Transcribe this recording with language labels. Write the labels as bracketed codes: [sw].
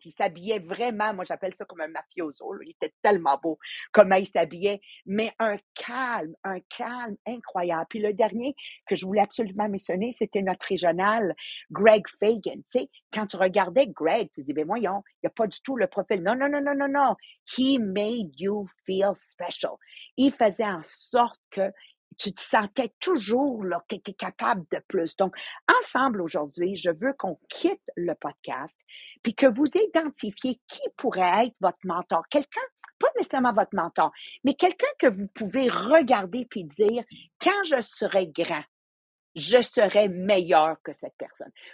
[fr] Il s'habillait vraiment, moi j'appelle ça comme un mafioso. Là. Il était tellement beau comment il s'habillait. Mais un calme incroyable. Puis le dernier que je voulais absolument mentionner, c'était notre régional, Greg Fagan. Tu sais, quand tu regardais Greg, tu disais, ben voyons, il n'y a pas du tout le profil. Non, non, non, non, non, non. [en] He made you feel special. [fr] Il faisait en sorte que tu te sentais toujours là, que tu étais capable de plus. Donc, ensemble aujourd'hui, je veux qu'on quitte le podcast puis que vous identifiez qui pourrait être votre mentor. Quelqu'un, pas nécessairement votre mentor, mais quelqu'un que vous pouvez regarder puis dire, quand je serai grand, je serai meilleur que cette personne.